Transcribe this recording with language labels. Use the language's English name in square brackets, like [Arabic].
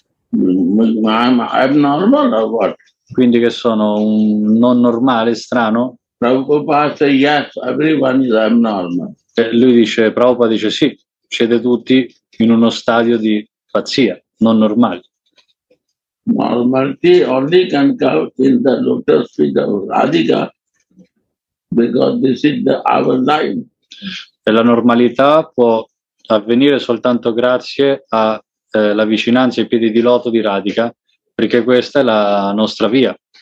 [English] I'm abnormal or what? [Italian] Quindi che sono un non normale, strano? [English] Prabhupada [Italian] dice, [English] yes, everyone is abnormal. [Italian] Lui dice, Prabhupada dice, sì, siete tutti in uno stadio di pazzia, non normali. [English] Normality only can come in the lotus feet of Radhika, because this is our line. [Italian] E la normalità può avvenire soltanto grazie alla vicinanza ai piedi di loto di Radhika, perché questa è la nostra via.